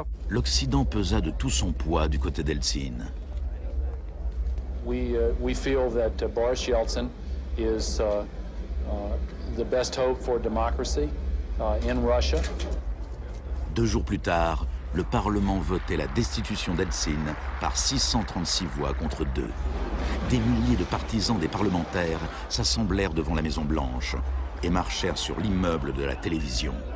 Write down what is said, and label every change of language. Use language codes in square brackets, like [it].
[fr] L'Occident pesa de tout son poids du côté d'Eltsine. [en] We feel that Boris Yeltsin is the best hope for democracy in Russia. [fr] Deux jours plus tard, le Parlement votait la destitution d'Eltsine par 636 voix contre 2. Des milliers de partisans des parlementaires s'assemblèrent devant la Maison Blanche et marchèrent sur l'immeuble de la télévision.